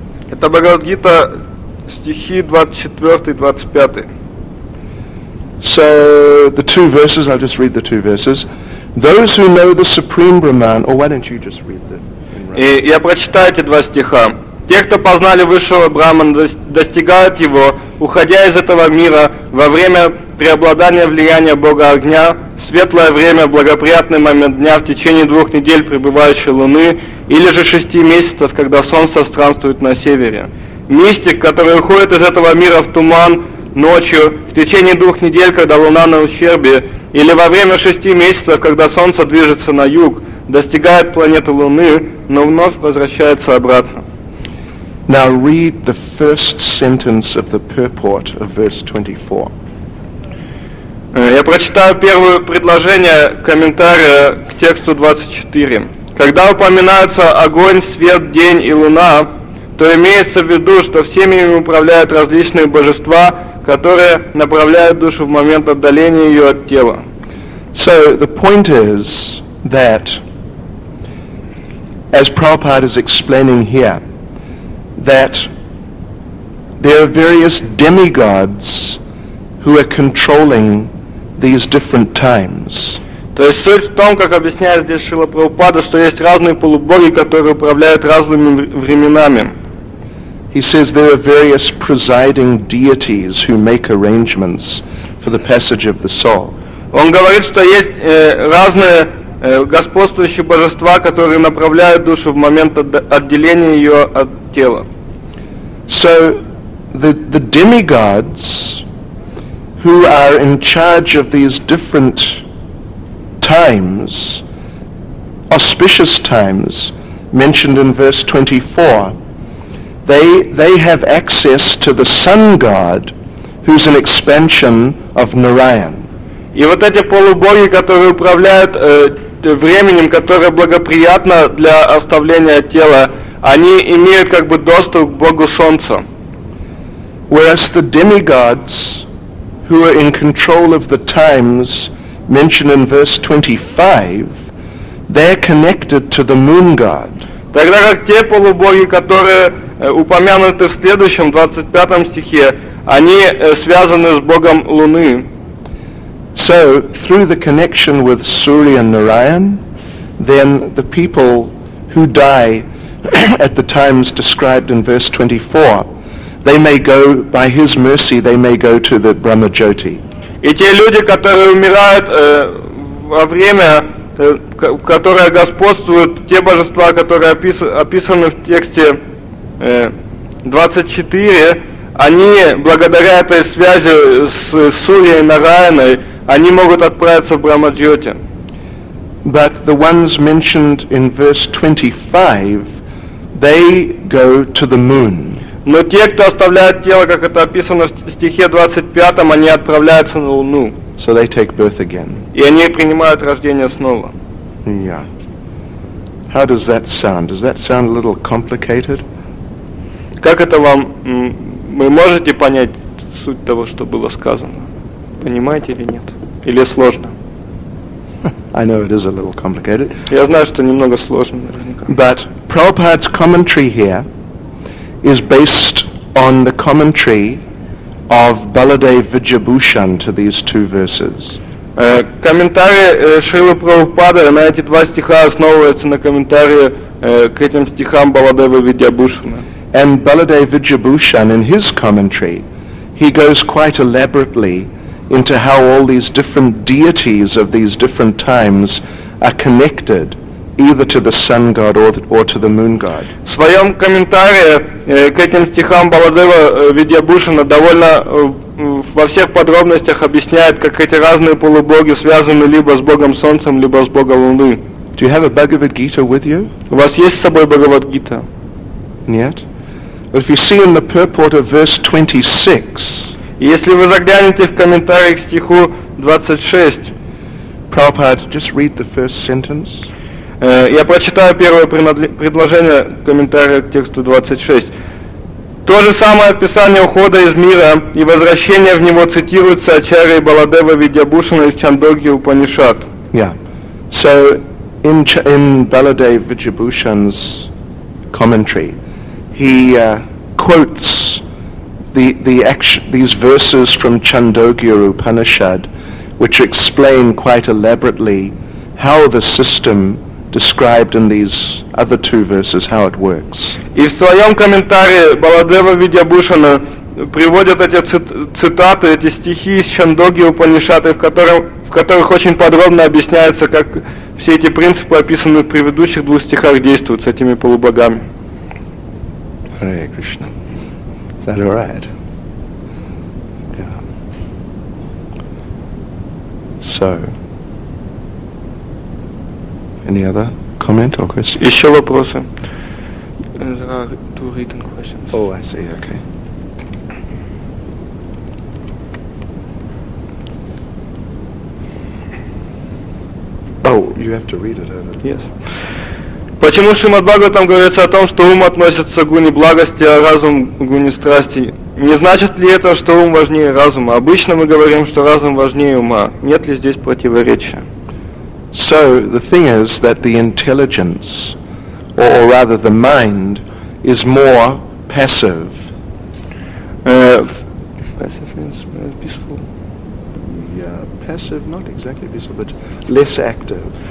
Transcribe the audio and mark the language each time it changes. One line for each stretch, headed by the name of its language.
Russian: Это Бхагавад Гита стихи 24 и 25.
English: So the two verses, I'll just read the two verses. Those who know the Supreme Brahman, or why don't you just read them?
Russian: И я прочитаю эти два стиха. Те, кто познали высшего Брахмана, достигают его, уходя из этого мира во время преобладания влияния Бога огня, в светлое время, благоприятный момент дня, в течение 2 недель пребывающей луны, или же 6 месяцев, когда солнце странствует на севере. Мистик, который уходит из этого мира в туман, ночью, в течение 2 недель, когда луна на ущербе, или во время 6 месяцев, когда Солнце движется на юг, достигает планеты Луны, но вновь возвращается обратно.
English: Now read the first sentence of the purport of verse 24.
Russian: Я прочитаю первое предложение комментария к тексту 24. Когда упоминаются огонь, свет, день и луна, то имеется в виду, что всеми ими управляют различные божества, которые направляют душу в момент отдаления ее от тела.
English: So the point is that, as Prabhupada is explaining here, that there are various demigods who are controlling these different times.
Russian: То есть суть в том, как объясняет здесь Шрила Прабхупада, что есть разные полубоги, которые управляют разными временами.
English: He says there are various presiding deities who make arrangements for the passage of the soul.
Russian: Он говорит, что есть разные господствующие божества, которые направляют душу в момент отделения ее от тела.
English: So the demigods who are in charge of these different times, auspicious times mentioned in verse 24, they have access to the sun god, who's an expansion of Narayan.
Russian: И вот эти полубоги, которые управляют временем, которое благоприятно для оставления тела, они имеют как бы доступ к Богу Солнцу.
English: Whereas the demigods who are in control of the times mentioned in verse 25, they're connected to the moon god.
Russian: Тогда как те полубоги, которые упомянуты в следующем, 25 стихе, они связаны с Богом Луны.
English: So, through the connection with Surya and Narayan, then the people who die at the times described in verse 24, they may go, by his mercy, they may go to the Brahma Jyoti.
Russian: И те люди, которые умирают во время, которое господствует, те божества, которые описаны в тексте 24, они, благодаря этой связи с Сурьей и Нараяной, они могут отправиться в Брахма-джоти.
English: But the ones mentioned in verse 25, they go to the moon.
Russian: Но те, кто оставляет тело, как это описано в стихе 25, они отправляются на Луну.
English: So they take birth again.
Russian: И они принимают рождение снова.
English: Yeah. How does that sound? Does that sound a little complicated?
Russian: Как это вам... Вы можете понять суть того, что было сказано? Понимаете или нет? Или сложно?
English: I know it is a little complicated.
Russian: Я знаю, что немного сложно, наверняка.
English: But Prabhupada's commentary here is based on the commentary of Baladev Vidyabhushan to these two verses.
Russian: Комментарий Шрилы Прабхупады на эти два стиха основывается на комментарии к этим стихам Баладева Видьябхушана.
English: And Baladev Vidyabhushan, in his commentary, he goes quite elaborately into how all these different deities of these different times are connected either to the sun god or to the moon god.
Russian: В своем комментарии к этим стихам Баладева Видьябхушана довольно во всех подробностях объясняет, как эти разные полубоги связаны либо с Богом Солнцем, либо с Богом Луны.
English: Do you have a Bhagavad Gita with you?
Russian: У вас есть с собой Бхагавад Гита? Нет.
English: But if you see in the purport of verse 26,
Russian: если вы заглянете в комментарии к стиху 26,
English: Prabhupada, just read the first sentence.
Russian: Я прочитаю первое предложение комментария к тексту 26. То же самое описание ухода из мира и возвращения в него цитируется Ачарьей Баладева Видьябхушана из Чандоги Упанишат.
English: Yeah. So in Baladev Vidyabhushan's commentary, he quotes these verses from Chandogya Upanishad, which explain quite elaborately how the system described in these other two verses, how it works.
Russian: И в своем комментарии Баладева Видьябхушана приводят эти цитаты, эти стихи из Чандогья Упанишады, в которых очень подробно объясняется, как все эти принципы, описанные в предыдущих двух стихах, действуют с этими полубогами.
English: Hare Krishna. Is that all right? Yeah. so. Any other comment or question?
Russian: Еще вопросы?
English: There are two written questions. Oh, I see, okay. Oh, you have to read it over. Yes.
Russian: Почему Шримад Бхагаватам говорится о том, что ум относится к гуне благости, а разум к гуне страсти? Не значит ли это, что ум важнее разума? Обычно мы говорим, что разум важнее ума. Нет ли здесь противоречия?
English: So, the thing is that the intelligence, or rather the mind, is more passive. Passive means peaceful. Yeah, passive, not exactly peaceful, but less active.